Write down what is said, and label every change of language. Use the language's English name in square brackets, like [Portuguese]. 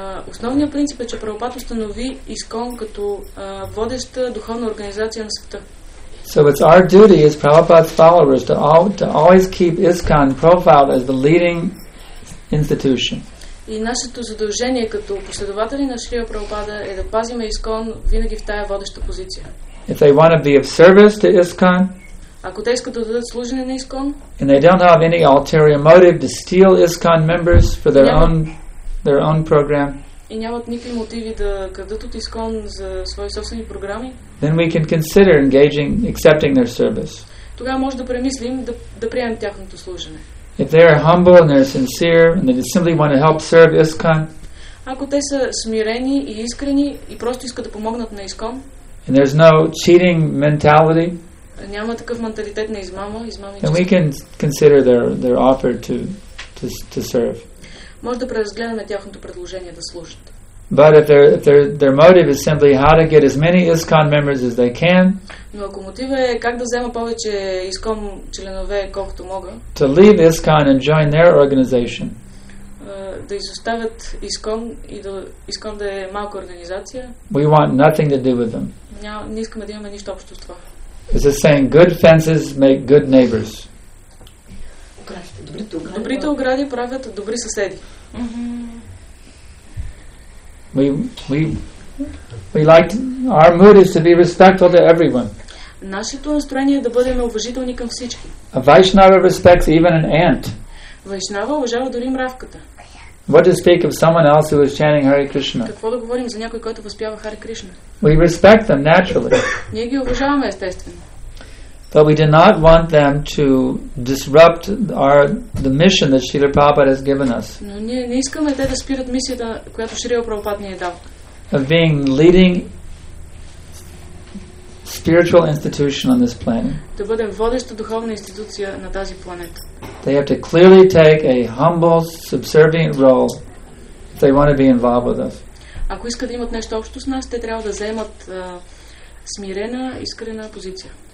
[Bulgarian] Основният принцип е, че Прабхупад установи ISKCON като водеща духовна организация на света. [English] So it's our duty as Prabhupada's followers to always keep ISKCON profiled as the leading institution. [Bulgarian] И нашето задължение като последователи на Шрила Прабхупада е да пазим ISKCON винаги в тая водеща позиция. [English] If they want to be of service to ISKCON, [Bulgarian] ако те искат да дадат служене на ISKCON, [English] and they don't have any ulterior motive to steal ISKCON members for their own their own program, [Bulgarian] и нямат никакви мотиви да крадат от ИСКОН за свои собствени програми, [English] then we can consider engaging, accepting their service. [Bulgarian] Тогава може да премислим да приемем тяхното служене. [English] If they are humble and they are sincere and they simply want to help serve ISKCON, [Bulgarian] ако те са смирени и искрени и просто искат да помогнат на ИСКОН, [English] and there's no cheating mentality, [Bulgarian] няма такъв менталитет на измама, измамничество, [English] then we can consider their offer to serve. [Bulgarian] Може да преразгледаме тяхното предложение да служат. [English] But if their motive is simply how to get as many ISKCON members as they can, [Bulgarian] но ако мотивът е как да взема повече ИСКОН членове колкото мога, [English] to leave ISKCON and join their organization, [Bulgarian] да изоставят ИСКОН и да ИСКОН да е малка организация, [English] we want nothing to do with them. [Bulgarian] Не искаме да имаме нищо общо с това. [English] It's a saying, good fences make good neighbors. [Bulgarian] Добрите огради правят добри съседи. [English] We like our mood is to be respectful to everyone. [Bulgarian] Нашето настроение е да бъдем уважителни към всички. [English] A Vaishnava respects even an ant. [Bulgarian] Вайшнава уважава дори мравката. [English] What to speak of someone else who is chanting Hare Krishna? [Bulgarian] Какво да говорим за някой, който възпява Hare Krishna? [English] We respect them naturally. [Bulgarian] Ние ги уважаваме естествено. [English] But we do not want them to disrupt the mission that Srila Prabhupada has given us. [Bulgarian] Но ние не искаме те да спират мисията, която Шрила Прабхупада ни е дал. [English] Of being leading spiritual institution on this planet. [Bulgarian] Да бъдем водеща духовна институция на тази планета. [English] They have to clearly take a humble, subservient role if they want to be involved with us. [Bulgarian] Ако искат да имат нещо общо с нас, те трябва да заемат смирена, искрена позиция.